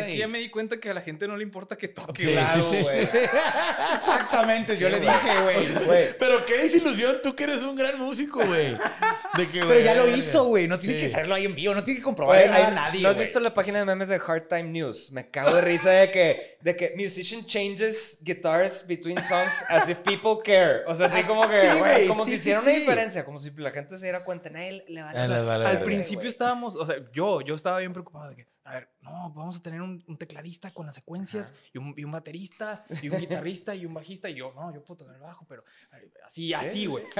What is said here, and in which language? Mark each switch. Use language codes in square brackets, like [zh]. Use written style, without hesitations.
[es] Es que ya me di cuenta que a la gente no le importa que toque. Sí, claro, güey. Sí. Exactamente, sí, yo le dije, güey. Pero qué desilusión, tú que eres un gran músico, güey. Pero ya lo hizo, güey. No tiene que hacerlo ahí en vivo, no tiene que comprobar nada a nadie. ¿No has visto la página de memes de Hard Time News? Me cago de risa de que [en] musician changes guitars between songs as if people care. [es] O sea, así como que, güey, como si hiciera una diferencia, como si la gente se diera cuenta. Nadie le va a dar. Al principio estábamos, o sea, yo estaba bien preocupado de que, a ver, no, vamos a tener un tecladista con las secuencias y un baterista y un guitarrista y un bajista. Y yo, no, yo puedo tocar el bajo, pero así, güey.